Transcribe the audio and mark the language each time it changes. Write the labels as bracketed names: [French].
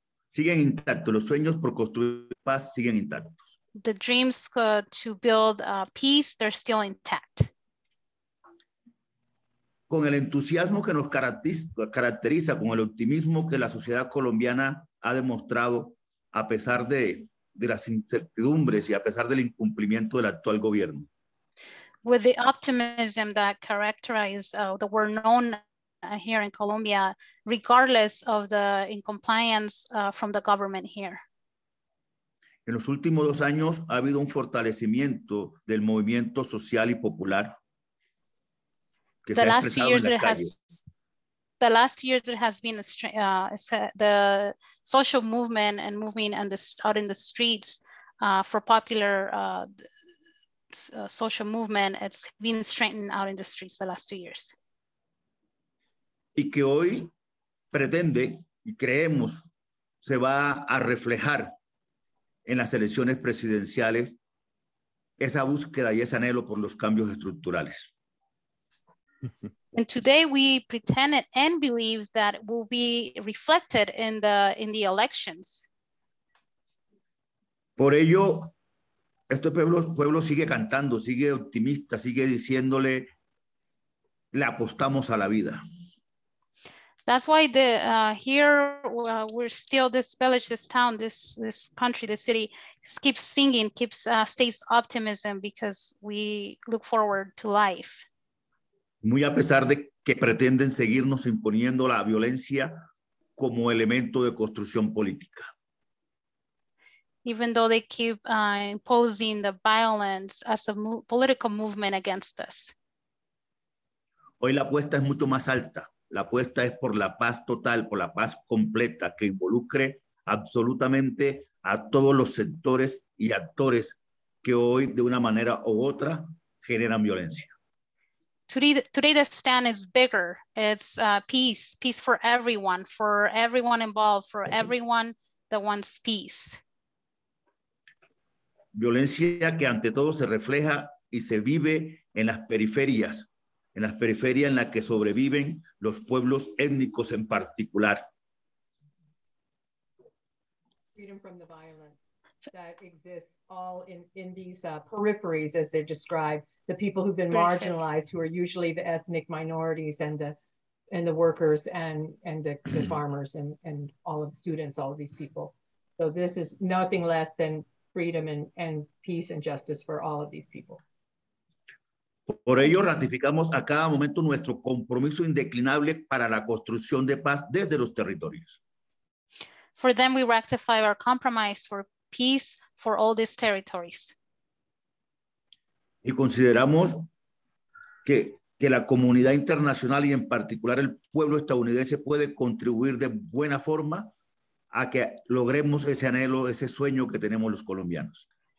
[Spanish] Siguen intactos, los sueños por construir paz siguen intactos. [English] The dreams to build peace, they're still intact. [Spanish] Con el entusiasmo que nos caracteriza, con el optimismo que la sociedad colombiana ha demostrado a pesar de las incertidumbres y a pesar del incumplimiento del actual gobierno. [English] With the optimism that characterized the world known here in Colombia, regardless of the incompliance from the government here. [Spanish] En los últimos dos años ha habido un fortalecimiento del movimiento social y popular que se ha expresado en las calles. [English] The last years there has been the social movement and moving and out in the streets for popular social movement. It's been strengthened out in the streets the last 2 years. [Spanish] Y que hoy pretende y creemos se va a reflejar en las elecciones presidenciales esa búsqueda y ese anhelo por los cambios estructurales. [English] And today we pretend and believe that will be reflected in the elections. [Spanish] Por ello, este pueblo sigue cantando, sigue optimista, sigue diciéndole, le apostamos a la vida. [English] That's why we're still this village, this town, this country, this city keeps singing, stays optimism because we look forward to life. [Spanish] Muy a pesar de que pretenden seguirnos imponiendo la violencia como elemento de construcción política. [English] Even though they keep imposing the violence as a political movement against us. [Spanish] Hoy la apuesta es mucho más alta. La apuesta es por la paz total, por la paz completa, que involucre absolutamente a todos los sectores y actores que hoy, de una manera u otra, generan violencia. [English] Today the stand is bigger. It's peace for everyone involved, for everyone that wants peace. [Spanish] Violencia que ante todo se refleja y se vive en las periferias. En las periferias en las que sobreviven los pueblos étnicos en particular. [English] Freedom from the violence that exists all in these peripheries, as they're described, the people who've been marginalized, who are usually the ethnic minorities and the workers and the farmers and all of the students, all of these people. So this is nothing less than freedom and peace and justice for all of these people. [Spanish] Por ello, ratificamos a cada momento nuestro compromiso indeclinable para la construcción de paz desde los territorios. [English] For them, we rectify our compromise for peace for all these territories. [Spanish] Y consideramos que la comunidad internacional y en particular el pueblo estadounidense puede contribuir de buena forma a que logremos ese anhelo, ese sueño que tenemos los colombianos.